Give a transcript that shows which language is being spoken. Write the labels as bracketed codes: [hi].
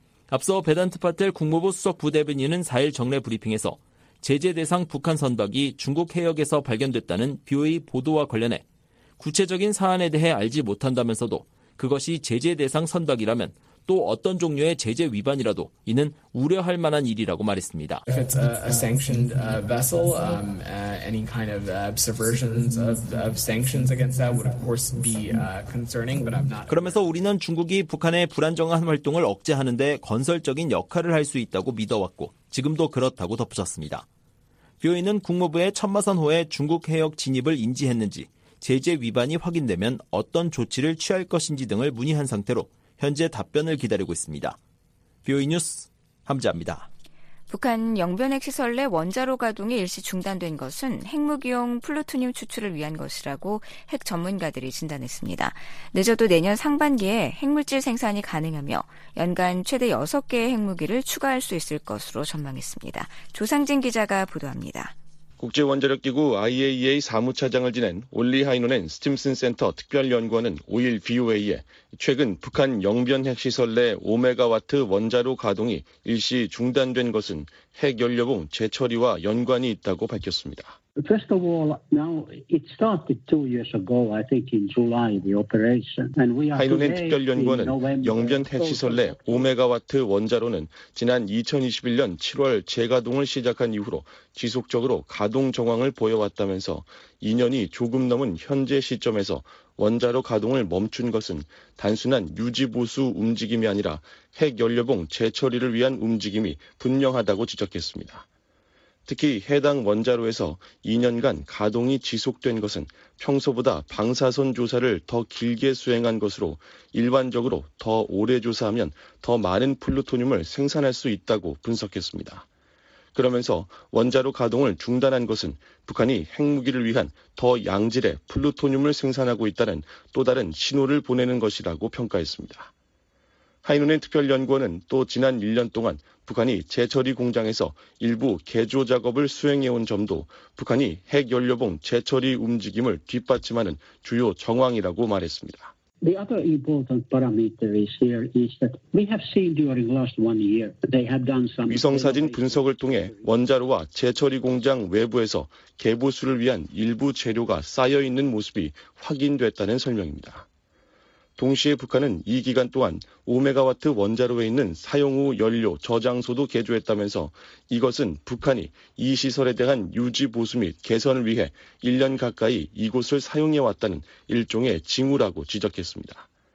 [ko] 앞서 베단트 파텔 국무부 수석 부대변인은 4일 정례 브리핑에서 제재 대상 북한 선박이 중국 해역에서 발견됐다는 BOE 보도와 관련해 구체적인 사안에 대해 알지 못한다면서도 그것이 제재 대상 선박이라면 또 어떤 종류의 제재 위반이라도 이는 우려할 만한 일이라고 말했습니다. [en] If it's a sanctioned vessel, any kind of subversions of sanctions against that would of course be concerning, but I'm not. [ko] 그러면서 우리는 중국이 북한의 불안정한 활동을 억제하는데 건설적인 역할을 할 수 있다고 믿어왔고 지금도 그렇다고 덧붙였습니다. 뷰이는 국무부의 천마산호의 중국 해역 진입을 인지했는지 제재 위반이 확인되면 어떤 조치를 취할 것인지 등을 문의한 상태로 현재 답변을 기다리고 있습니다. BOE 뉴스 함재합니다. 북한 영변핵 시설 내 원자로 가동이 일시 중단된 것은 핵무기용 플루토늄 추출을 위한 것이라고 핵 전문가들이 진단했습니다. 늦어도 내년 상반기에 핵물질 생산이 가능하며 연간 최대 6개의 핵무기를 추가할 수 있을 것으로 전망했습니다. 조상진 기자가 보도합니다. 국제원자력기구 IAEA 사무차장을 지낸 올리 하이노넨 스팀슨 센터 특별연구원은 5일 VOA에 최근 북한 영변핵시설 내 5메가와트 원자로 가동이 일시 중단된 것은 핵연료봉 재처리와 연관이 있다고 밝혔습니다. [en] First of all, now it started 2 years ago, I think in July, the operation. And we are. [ko] 하이노넨 특별연구원은 영변 핵시설 내 5메가와트 원자로는 지난 2021년 7월 재가동을 시작한 이후로 지속적으로 가동 정황을 보여왔다면서 2년이 조금 넘은 현재 시점에서 원자로 가동을 멈춘 것은 단순한 유지보수 움직임이 아니라 핵연료봉 재처리를 위한 움직임이 분명하다고 지적했습니다. 특히 해당 원자로에서 2년간 가동이 지속된 것은 평소보다 방사선 조사를 더 길게 수행한 것으로 일반적으로 더 오래 조사하면 더 많은 플루토늄을 생산할 수 있다고 분석했습니다. 그러면서 원자로 가동을 중단한 것은 북한이 핵무기를 위한 더 양질의 플루토늄을 생산하고 있다는 또 다른 신호를 보내는 것이라고 평가했습니다. 하이노넨 특별연구원은 또 지난 1년 동안 북한이 재처리 공장에서 일부 개조 작업을 수행해온 점도 북한이 핵연료봉 재처리 움직임을 뒷받침하는 주요 정황이라고 말했습니다. [en] The other important parameter is here is that we have seen during last one year they have done some [ko] 위성사진 분석을 통해 원자로와 재처리 공장 외부에서 개보수를 위한 일부 재료가 쌓여있는 모습이 확인됐다는 설명입니다. 동시에 북한은 이 기간 동안 5메가와트 원자로에 있는 사용 후 연료 저장소도 개조했다면서 이것은 북한이 이 시설에 대한 유지 보수 및 개선을 위해 1년 가까이 이곳을 사용해왔다는 일종의 징후라고 지적했습니다.